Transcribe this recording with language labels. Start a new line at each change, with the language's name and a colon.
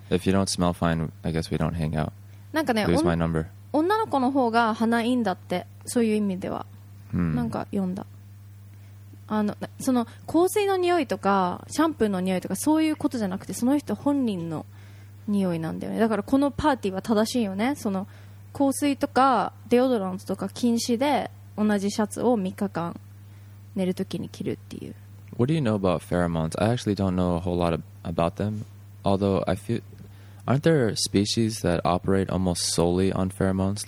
English: If you don't smell fine, I guess we don't hang out.
Japanese: なんかね、
English: Lose my number.
Japanese: 女の子の方が鼻いいんだって、そういう意味では、 hmm. なんか読んだ、あの、その香水の匂いとかシャンプーの匂いとかそういうことじゃなくて、その人本人の匂いなんだよね。だからこのパーティーは正しいよね、その香水とかデオドラントとか禁止で同じシャツを3日間寝るときに着るっていう。
English: What do you know about pheromones? I actually don't know a whole lot about them. Although I feel, aren't there species that operate almost solely on pheromones?